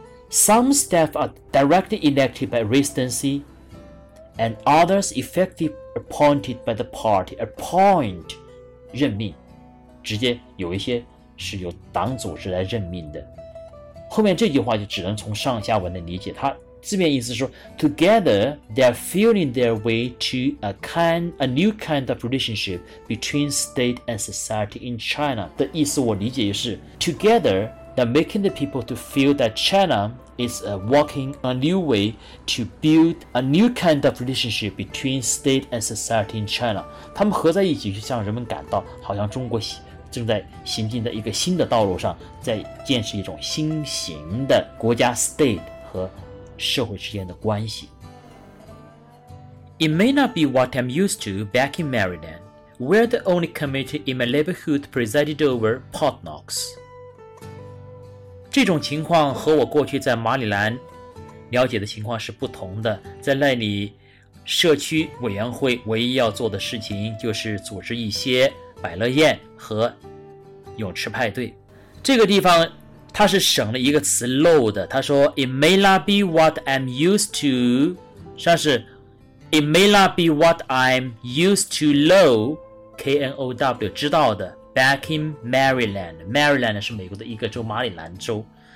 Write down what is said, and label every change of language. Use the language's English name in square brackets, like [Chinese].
[English] Some staff are directly elected by residency and others effectively appointed by the party. Appoint [Chinese] 任命，直接有一些是由党组织来任命的。后面这句话就只能从上下文的理解，它字面意思说 [English] Together they're feeling their way to a new kind of relationship between state and society in China [Chinese] 的意思我理解也是 [English] Together they're making the people to feel that ChinaIs walking a new way to build a new kind of relationship between state and society in China. [Chinese] 他们合在一起，就向人们感到好像中国正在行进在一个新的道路上，在建设一种新型的国家 state 和社会之间的关系。 [English] It may not be what I'm used to back in Maryland, where the only committee in my neighborhood presided over potlucks. [Chinese] 这种情况和我过去在马里兰了解的情况是不同的，在那里社区委员会唯一要做的事情就是组织一些百乐宴和泳池派对。这个地方他是省了一个词漏的，他说 [English] It may not be what I'm used to， [Chinese] 像是 [English] It may not be what I'm used to low K-N-O-W [Chinese] 知道的Back in Maryland 是美国的一个州，马里兰州。